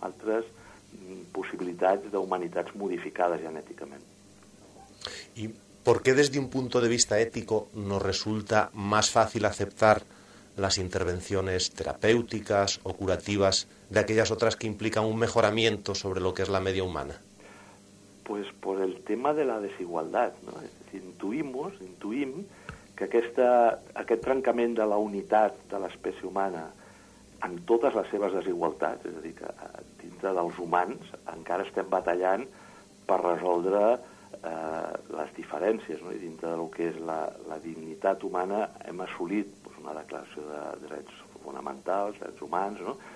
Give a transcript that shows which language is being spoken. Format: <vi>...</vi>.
<ca>Altres possibilitats d'humanitats modificades genèticament. I per què des d'un punt de vista ètico</ca> <es>no resulta més fàcil acceptar las intervenciones terapéuticas o curativas de aquellas otras que implican un mejoramiento sobre lo que es la media humana? Pues por el tema de la desigualdad, ¿no?</es> <ca>Intuïm que aquest trencament de la unitat de l'espècie humana amb totes les seves desigualtats, és a dir, que dintre dels humans encara estem batallant per resoldre les diferències, no? I dintre del que és la dignitat humana hem assolit una declaració de drets fonamentals, drets humans, no?</ca>